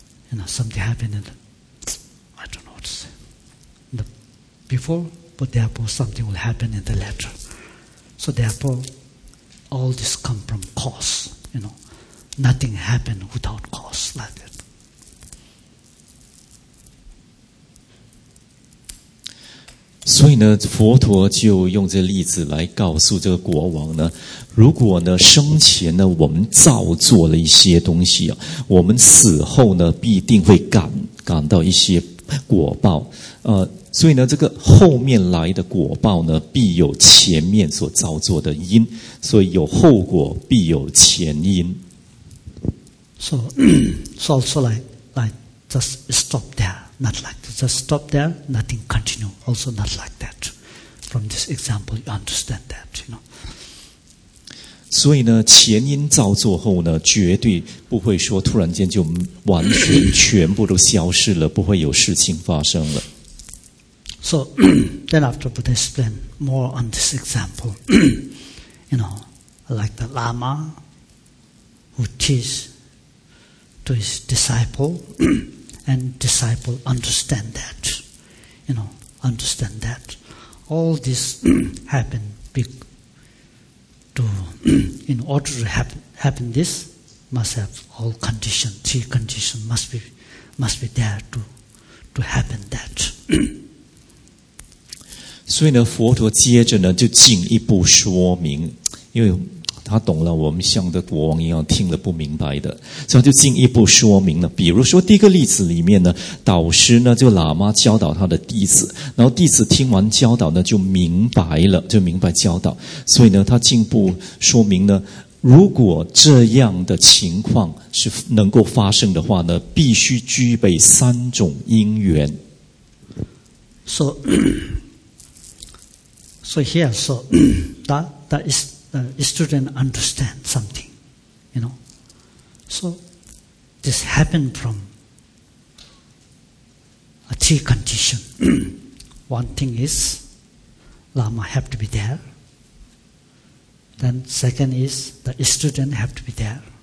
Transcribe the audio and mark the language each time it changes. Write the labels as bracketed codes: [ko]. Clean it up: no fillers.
[en] You know, something happened in the, I don't know what to say, in the before. But therefore, something will happen in the latter. So therefore, all this come from cause. You know, nothing happen without cause like that. [zh] 所以呢，佛陀就用这例子来告诉这个国王呢，如果呢生前呢我们造作了一些东西啊，我们死后呢必定会感到一些果报，所以呢，这个后面来的果报呢，必有前面所造作的因，所以有后果必有前因。 [en] So also like just stop there, not like that. Just stop there, nothing continue. Also not like that. From this example, you understand that, you know. [zh] 所以呢，前因造作后呢，绝对不会说突然间就完全全部都消失了，不会有事情发生了。 [en] So then after Buddha explained more on this example, you know, like the Lama who teach to his disciple and disciple understand that, you know, understand that. All this happened to, in order to happen this, must have all conditions, three conditions must be there to happen that. [zh] 所以呢，佛陀接着呢就进一步说明，因为他懂了我们像的国王一样听了不明白的，所以他就进一步说明了。比如说第一个例子里面呢，导师呢就喇嘛教导他的弟子，然后弟子听完教导呢就明白了，就明白教导。所以呢，他进一步说明呢，如果这样的情况是能够发生的话呢，必须具备三种因缘。 [en] So. So here, so that is the student understand something, you know. So this happened from a three condition. One thing is Lama have to be there. Then second is the student have to be there.